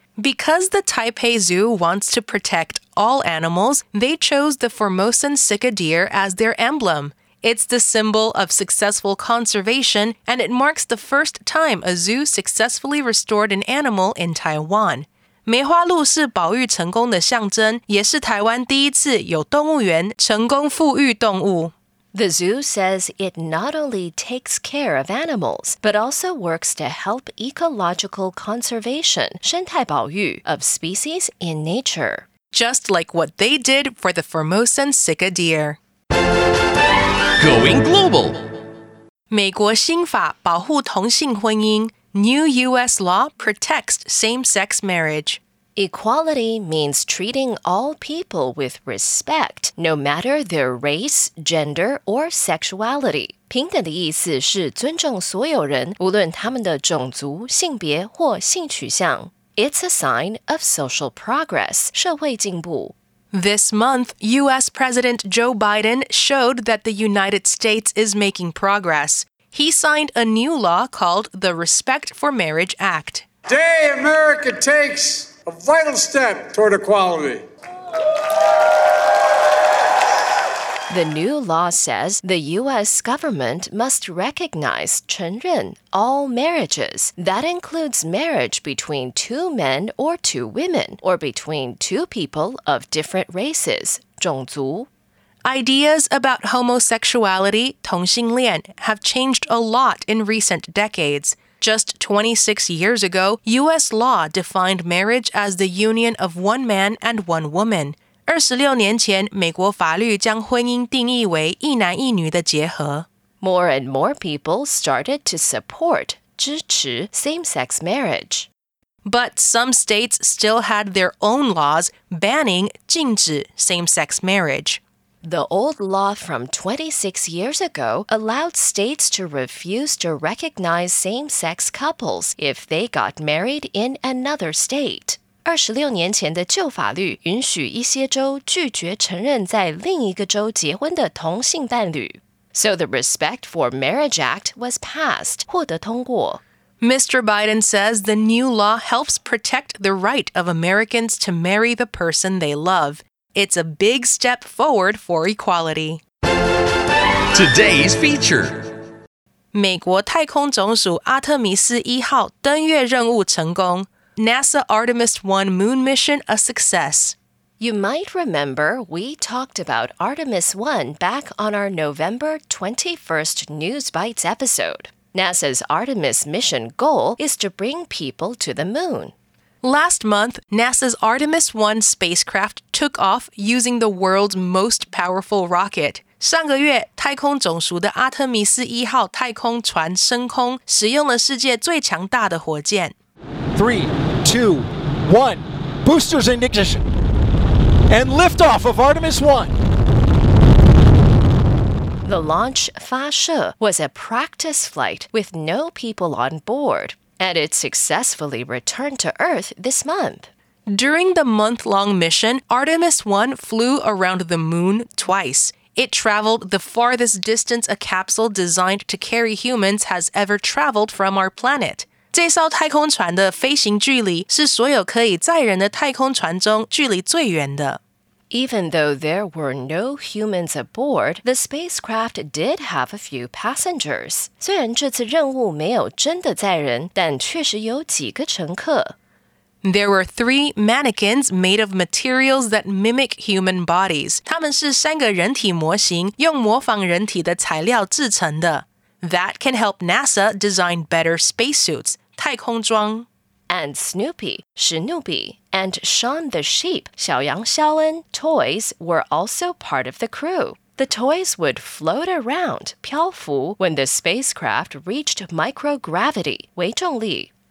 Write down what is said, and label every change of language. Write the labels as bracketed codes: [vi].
[en] Because the Taipei Zoo wants to protect all animals, they chose the Formosan Sika deer as their emblem. It's the symbol of successful conservation, and it marks the first time a zoo successfully restored an animal in Taiwan. [zh] 梅花鹿是保育成功的象征，也是台湾第一次有动物园成功富裕动物。 [en] The zoo says it not only takes care of animals, but also works to help ecological conservation, [zh] 生态保育, [en] of species in nature. Just like what they did for the Formosan Sika deer. Going global. [zh] 美国新法保护同性婚姻, [en] new U.S. law protects same-sex marriage. Equality means treating all people with respect, no matter their race, gender, or sexuality. [zh] 平等的意思是尊重所有人，无论他们的种族、性别或性取向。 [en] It's a sign of social progress, [zh] 社会进步。 [en] This month, U.S. President Joe Biden showed that the United States is making progress. He signed a new law called the Respect for Marriage Act. Today, America takes... A vital step toward equality. The new law says the U.S. government must recognize [zh] 承认 [en] all marriages. That includes marriage between two men or two women, or between two people of different races, [zh] 种族. [en] Ideas about homosexuality, [zh] 同性恋, [en] have changed a lot in recent decades. Just 26 years ago, U.S. law defined marriage as the union of one man and one woman. [zh] 26年前，美国法律将婚姻定义为一男一女的结合。 [en] More and more people started to support, [zh] 支持, [en] same-sex marriage. But some states still had their own laws banning, [zh] 禁止, [en] same-sex marriage. The old law from 26 years ago allowed states to refuse to recognize same-sex couples if they got married in another state. [zh] 二十六年前的旧法律允许一些州拒绝承认在另一个州结婚的同性伴侣。 [en] So the Respect for Marriage Act was passed, [zh] 获得通过。 [en] Mr. Biden says the new law helps protect the right of Americans to marry the person they love. It's a big step forward for equality. Today's feature. [zh] 美国太空总署阿特米斯一号登月任务成功。 [en] NASA Artemis 1 moon mission a success. You might remember we talked about Artemis 1 back on our November 21st News Bites episode. NASA's Artemis mission goal is to bring people to the moon. Last month, NASA's Artemis 1 spacecraft took off using the world's most powerful rocket. [zh] 上个月，太空总署的阿特米斯一号太空船升空，使用了世界最强大的火箭。 [en] Three, two, one, boosters in ignition, and liftoff of Artemis 1. The launch [zh] 发射 [en] was a practice flight with no people on board, and it successfully returned to Earth this month. During the month-long mission, Artemis 1 flew around the moon twice. It traveled the farthest distance a capsule designed to carry humans has ever traveled from our planet. [zh] 这艘太空船的飞行距离是所有可以载人的太空船中距离最远的。 [en] Even though there were no humans aboard, the spacecraft did have a few passengers. [zh] 虽然这次任务没有真的载人，但确实有几个乘客。 [en] There were three mannequins made of materials that mimic human bodies. [zh] 它们是三个人体模型，用模仿人体的材料制成的。 [en] That can help NASA design better spacesuits, [zh] 太空装。 [en] And Snoopy, [zh] 史努比, [en] and Shaun the Sheep, [zh] 小羊肖恩, [en] toys were also part of the crew. The toys would float around, [zh] 漂浮, [en] when the spacecraft reached microgravity, [zh] 微重力。